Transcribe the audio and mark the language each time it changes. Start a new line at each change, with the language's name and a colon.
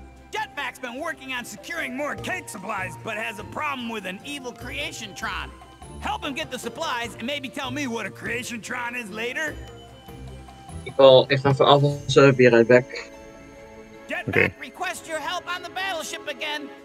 English: Jetpack's been working on securing more cake supplies, but has a problem with an evil creation tron. Help him get the supplies and maybe tell me what a creation tron is later.
Dutch: Ik ga vanaf ons
English: be right back. Jetpack requests your help on the battleship again.